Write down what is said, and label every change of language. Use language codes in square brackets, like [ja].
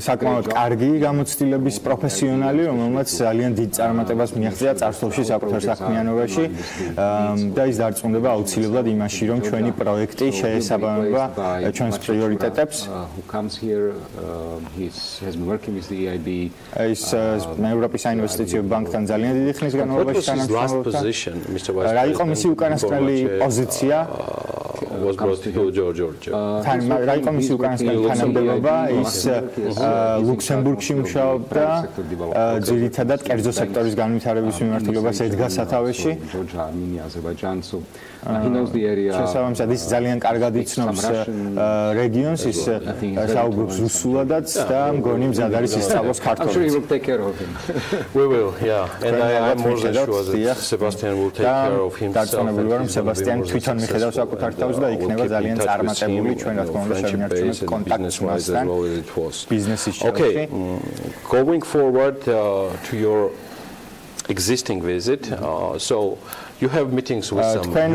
[ka] საკმაოდ კარგი გამოცდილების პროფესიონალი, რომელმაც ძალიან დიდ წარმატებას მიაღწია წარსულში საკუთარ საქმიანობაში და ის დარწმუნდება აუცილებლად იმაში, რომ ჩვენი პროექტი შეესაბამება ჩვენს პრიორიტეტებს. [en] He has been working with the EIB. [ka] ეს ევროპის საინვესტიციო ბანკთან ძალიან დიდი ხნის განმავლობაში თანამშრომლობდა. რა იყო მისი უკანასკნელი პოზიცია? [en] Was brought to George. [ka] რა იყო მისი უკანასკნელი თანამდებობა? ის ლუქსემბურგში მუშაობდა ძირითადად კერძო სექტორის განვითარების მიმართულებას ედგა სათავეში. შესაბამისად ის ძალიან კარგად იცნობს რეგიონს, ის საუბრობს რუსულადაც და მგონი მზად არის ისწავლოს ქართულად. [en] We will take care of him. We will, yeah. And I am more than sure that Sebastian will take care of himself. [ka] და დარწმუნებული ვარ, რომ სებასტიან თვითონ მიხედავს საკუთარ თავს და იქნება ძალიან წარმატებული ჩვენ რა თქმა უნდა შემიარჩუნოს კონტაქტებს. [en] Okay. Going forward to your existing visit, so you have meetings with some